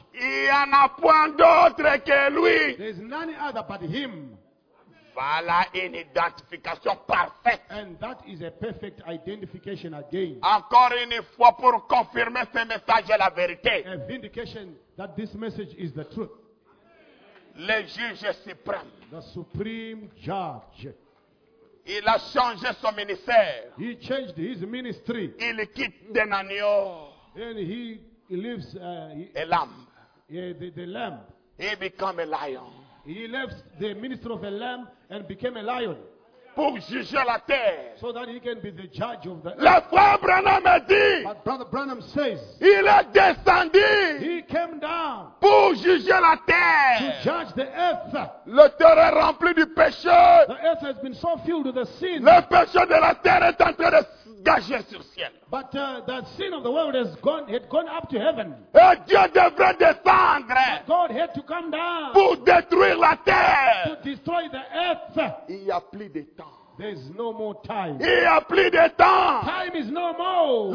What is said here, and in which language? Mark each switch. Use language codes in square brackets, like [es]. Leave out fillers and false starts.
[fr] Il n'y en a point d'autre que lui. [en] There's none other but him. [fr] Voilà une identification parfaite. [en] And that is a perfect identification again. [fr] Encore une fois pour confirmer ce message est la vérité. [en] A vindication that this message is the truth. [fr] Le juge suprême. [en] The supreme judge. [fr] Il a changé son ministère. [en] He changed his ministry. [fr] Il quitte d'un agneau. [en] Then he leaves a lamb. The lamb. He become a lion. He left the minister of a lamb and became a lion. [fr] Pour juger la terre. [en] So that he can be the judge of the [fr] earth. Le frère Branham a dit. [en] But Brother Branham says. [fr] Il est descendu. [en] He came down. [fr] Pour juger la terre. [en] To judge the earth. [fr] La terre est remplie du péché. [en] The earth has been so filled with the sin. [fr] Le péché de la terre est en train de gager sur le ciel. [en] But the sin of the world has gone, had gone up to heaven. [fr] Et Dieu devrait descendre. [en] But God had to come down. [fr] Pour détruire la terre. [en] To destroy the earth. [fr] Il y a plus de temps. [en] There's no more time. Il n'y a plus de temps. Time is no more.